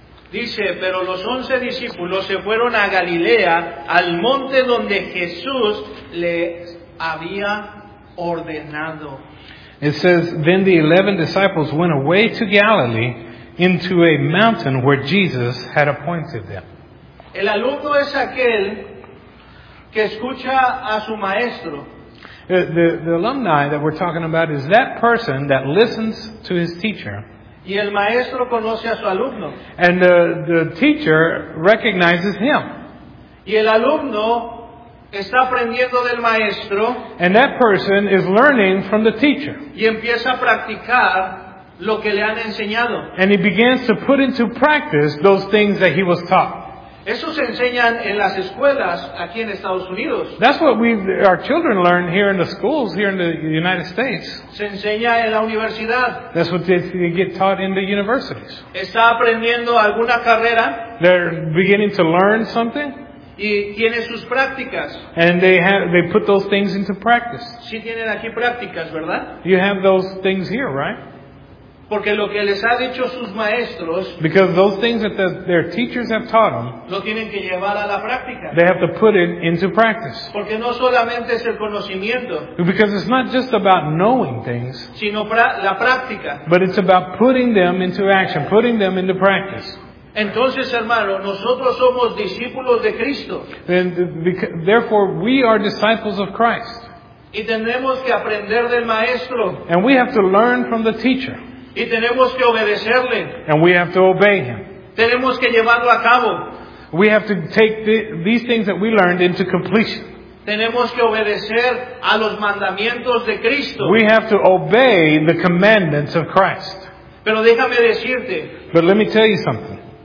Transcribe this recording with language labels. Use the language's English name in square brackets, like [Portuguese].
[Spanish] Dice, pero los 11 discípulos se fueron a Galilea, al monte donde Jesús les había ordenado. [English] It says, then the 11 disciples went away to Galilee into a mountain where Jesus had appointed them. [Spanish] El alumno es aquel que escucha a su maestro. [English] The alumni that we're talking about is that person that listens to his teacher. [Spanish] Y el maestro conoce a su alumno. [English] And the teacher recognizes him. [Spanish] Y el alumno está aprendiendo del maestro. [English] And that person is learning from the teacher. [Spanish] Y empieza a practicar lo que le han enseñado. [English] And he begins to put into practice those things that he was taught. [Spanish] Eso se enseñan en las escuelas aquí en Estados Unidos. [English] That's what our children learn here in the schools here in the United States. [Spanish] Se enseña en la universidad. [English] That's what they get taught in the universities. [Spanish] Está aprendiendo alguna carrera. [English] They're beginning to learn something. [Spanish] Y tiene sus prácticas. [English] And they put those things into practice. [Spanish] Sí tienen aquí prácticas, ¿verdad? [English] You have those things here, right? [Spanish] Porque lo que les ha dicho sus maestros, [English] because those things that their teachers have taught them, [Spanish] lo tienen que llevar a la práctica. [English] They have to put it into practice. [Spanish] Porque no solamente es el conocimiento, [English] because it's not just about knowing things, [Spanish] sino la práctica. [English] But it's about putting them into action, putting them into practice. [Spanish] Entonces, hermano, nosotros somos discípulos de Cristo. [English] And therefore, we are disciples of Christ. [Spanish] Y tenemos que aprender del maestro. [English] And we have to learn from the teacher. [Spanish] Y tenemos que obedecerle. [English] And we have to obey him. [Spanish] Tenemos que llevarlo a cabo. [English] We have to take these things that we learned into completion. [Spanish] Tenemos que obedecer a los mandamientos de Cristo. [English] We have to obey the commandments of Christ. [Spanish] Pero déjame decirte. [English] But let me tell you something.